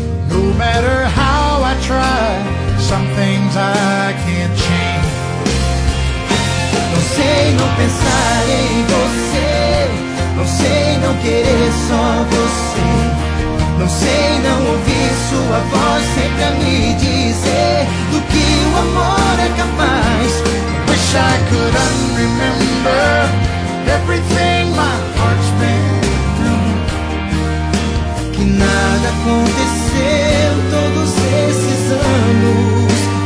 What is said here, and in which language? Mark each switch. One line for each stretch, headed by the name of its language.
English: No matter how I try, some things I can't change.
Portuguese: Não sei não pensar em você, não sei não querer só você, não sei não ouvir sua voz sempre a me dizer do que o amor é capaz.
English: Wish I could unremember everything my heart's been through.
Portuguese: Que nada aconteceu todos esses anos.